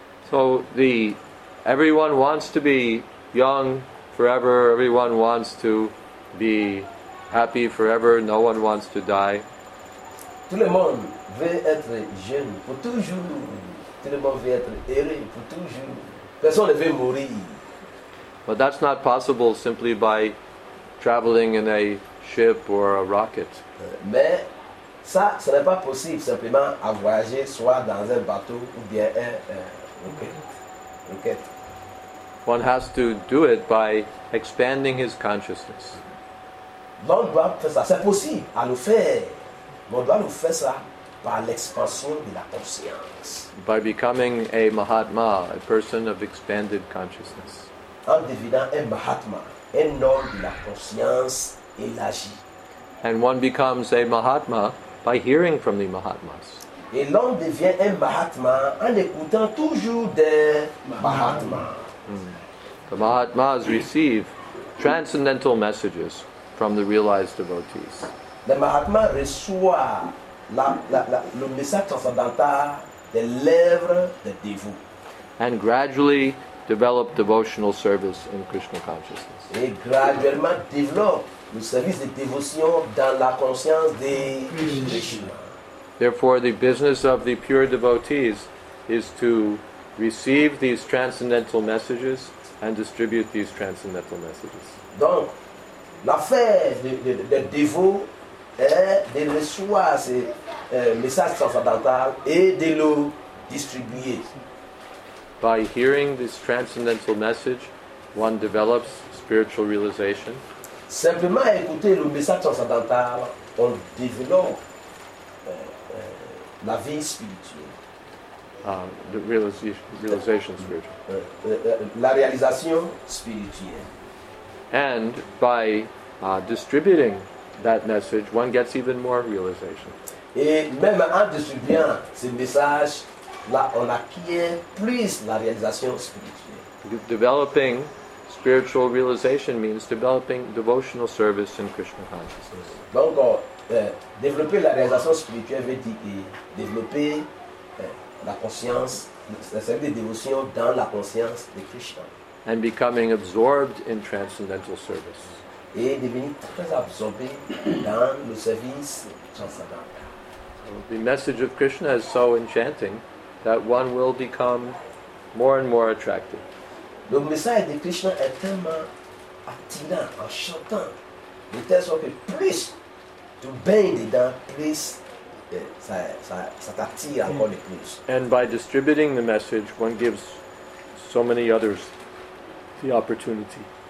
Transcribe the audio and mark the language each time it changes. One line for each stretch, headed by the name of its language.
English: So the everyone wants to be young forever, everyone wants to be happy forever, no one wants to die.
French: Tout le monde veut être jeune pour toujours. Tout le monde veut être heureux pour toujours. Personne ne veut mourir.
English: But that's not possible simply by traveling in a ship or a rocket.
French: Mais ça, ce n'est pas possible simplement à voyager soit dans un bateau ou bien un rocket.
English: One has to do it by expanding his consciousness.
French: l'homme doit faire ça. C'est possible à le faire. Mais on doit le faire ça par l'expansion de la conscience.
English: By becoming a Mahatma, a person of expanded consciousness.
French: En devenant un Mahatma, un homme de la conscience élargie.
English: And one becomes a Mahatma by hearing from the Mahatmas.
French: Et l'homme devient un Mahatma en écoutant toujours des Mahatmas.
English: The Mahatmas receive transcendental messages from the realized devotees.
French: Les Mahatmas reçoivent le message transcendantal des lèvres des dévots.
English: And gradually develop devotional service in Krishna consciousness.
French: Et graduellement développe le service de dévotion dans la conscience de Krishna.
English: Therefore, the business of the pure devotees is to receive these transcendental messages and distribute these transcendental messages.
French: Donc, l'affaire de dévot est de recevoir ces messages transcendantaux et de le distribuer.
English: By hearing this transcendental message, one develops spiritual realization.
French: Simplement écouter le message transcendantal, on développe la vie spirituelle.
English: The realization spiritual.
French: La réalisation spirituelle.
English: And by distributing that message, one gets even more realization.
French: Et même en distribuant ce message, là, on acquiert plus la réalisation spirituelle.
English: Developing spiritual realization means developing devotional service in Krishna consciousness.
French: Donc, développer la réalisation spirituelle veut dire développer la conscience, le service de dévotion dans la conscience de Krishna.
English: And becoming absorbed in transcendental service.
French: Et devenir très absorbé dans le service transcendant.
English: The message of Krishna is so enchanting that one will become more and more attracted.
French: Le message de Krishna est tellement attirant, enchantant, de telle sorte que plus tu baignes dedans, plus ça t'attire encore de plus.
English: And by distributing the message, one gives so many others the opportunity.